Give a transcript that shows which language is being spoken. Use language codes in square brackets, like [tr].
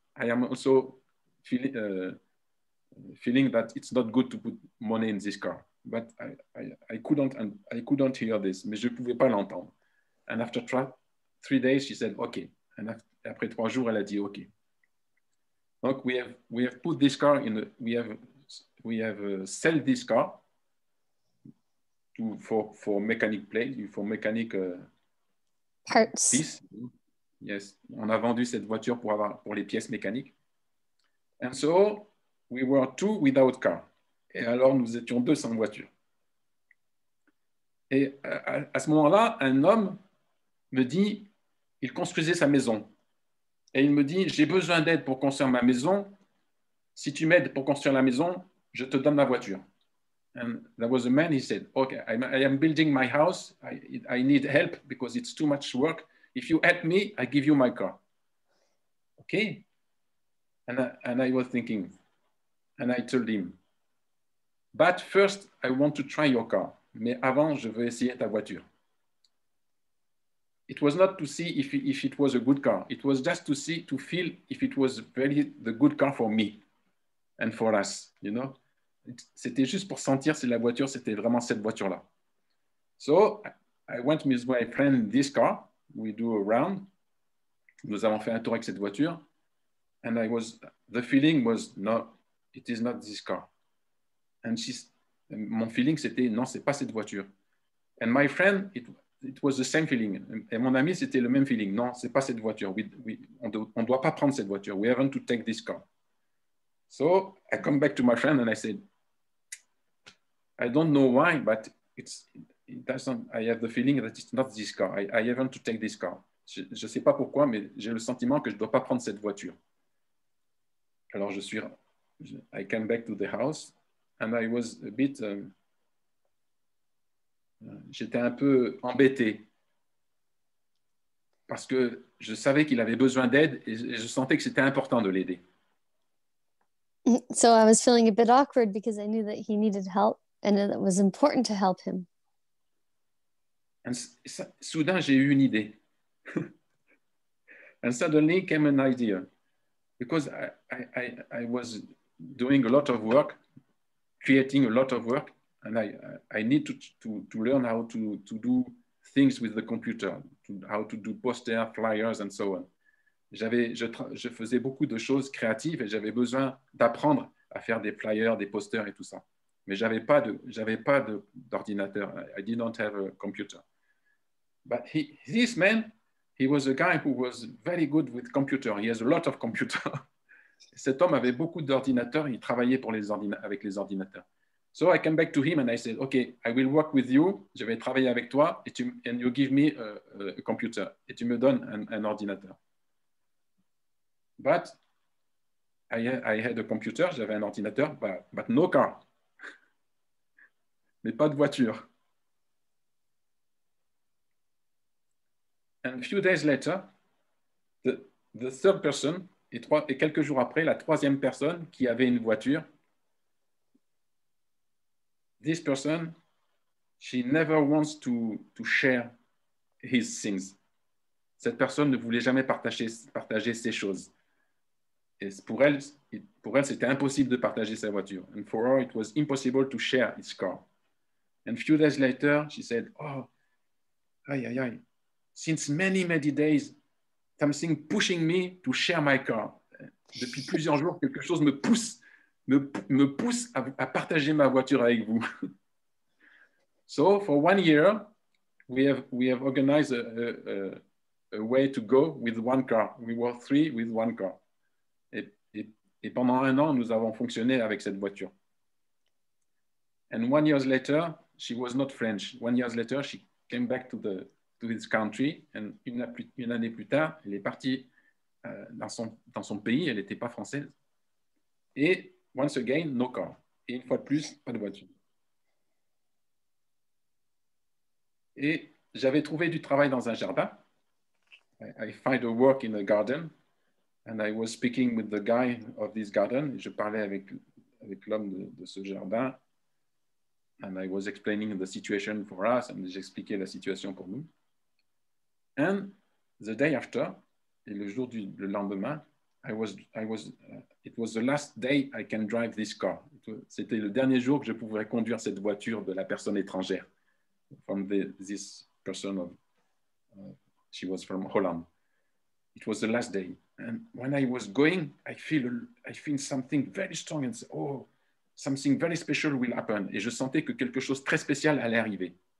[en] I am also feeling that it's not good to put money in this car. But I couldn't hear this, [fr] mais je ne pouvais pas l'entendre. [en] And after three days, she said, OK. And [fr] après trois jours, elle a dit, [en] OK. Donc, we have put this car in the, we have sell this car for mechanic place, for mechanic parts. Piece. [fr] Yes, on a vendu cette voiture pour les pièces mécaniques. [en] And so, we were two without car. [fr] Et alors, nous étions deux sans voiture. Et à ce moment-là, un homme me dit, il construisait sa maison. Et il me dit, j'ai besoin d'aide pour construire ma maison. Si tu m'aides pour construire la maison, je te donne ma voiture. [en] And that was a man, he said, OK, I am building my house. I need help because it's too much work. If you help me, I give you my car. OK? And I was thinking, and I told him, but first, I want to try your car. [fr] Mais avant, je veux essayer ta voiture. [en] It was not to see if it was a good car. It was just to see, to feel if it was really the good car for me and for us, you know? [fr] C'était juste pour sentir si la voiture, c'était vraiment cette voiture-là. [en] So, I went with my friend in this car. We do a round. [fr] Nous avons fait un tour avec cette voiture. [en] And I was, the feeling was, no, it is not this car. [fr] And mon feeling, c'était, non, c'est pas cette voiture. [en] And my friend, it was the same feeling. [fr] Et mon ami, c'était le même feeling. Non, c'est pas cette voiture. On doit pas prendre cette voiture. [en] We haven't to take this car. So, I come back to my friend and I said, I don't know why, but I have the feeling that it's not this car. I haven't to take this car. [fr] Je sais pas pourquoi, mais j'ai le sentiment que je dois pas prendre cette voiture. [en] Alors, I came back to the house and I was a bit... [fr] j'étais un peu embêté parce que je savais qu'il avait besoin d'aide et je sentais que c'était important de l'aider. [en] So I was feeling a bit awkward because I knew that he needed help and it was important to help him. [fr] And soudain, j'ai eu une idée. [en] And suddenly came an idea. Because I was doing a lot of work, creating a lot of work, and I need to learn how to do things with the computer, how to do posters, flyers, and so on. [fr] Je faisais beaucoup de choses créatives et j'avais besoin d'apprendre à faire des flyers, des posters et tout ça. Mais j'avais pas d'ordinateur. [en] I did not have a computer. But this man, he was a guy who was very good with computer. He has a lot of computer. [fr] Cet homme avait beaucoup d'ordinateurs. Il travaillait avec les ordinateurs. [en] So I came back to him and I said, OK, I will work with you. [fr] Je vais travailler avec toi [en] and you give me a computer. [fr] Et tu me donnes un ordinateur. [en] But I had a computer, [fr] j'avais un ordinateur, [en] but no car. [fr] Mais pas de voiture. [en] And a few days later, the third person, [fr] et quelques jours après, la troisième personne qui avait une voiture, [en] this person, she never wants to share his things. [fr] Cette personne ne voulait jamais partager ses choses. Et pour elle, c'était impossible de partager sa voiture. [en] And for her, it was impossible to share his car. And a few days later, she said, oh, ay, ay, ay. Since many, many days, something pushing me to share my car. [fr] Depuis plusieurs jours, quelque chose me pousse à partager ma voiture avec vous. [en] So for 1 year, we have organized a way to go with one car. We were three with one car. [fr] Et pendant un an, nous avons fonctionné avec cette voiture. [en] And 1 year later, she was not French. 1 year later, she came back to his country. [fr] And une année plus tard, elle est partie dans son pays. Elle n'était pas française. [en] Et once again, no car. [fr] Et une fois de plus, pas de voiture. Et j'avais trouvé du travail dans un jardin. [en] I find a work in a garden. And I was speaking with the guy of this garden. [fr] Je parlais avec l'homme de ce jardin. [en] And I was explaining the situation for us. And [fr] j'expliquais la situation pour nous. [en] And the day after, [fr] et le jour du le lendemain, [en] it was the last day I can drive this car. [fr] C'était le dernier jour que je pouvais conduire cette voiture de la personne étrangère. [en] This person of, she was from Holland. It was the last day. And when I was going, I feel something very strong and say, oh, something very special will happen. [fr] Et je sentais que quelque chose très spécial allait arriver.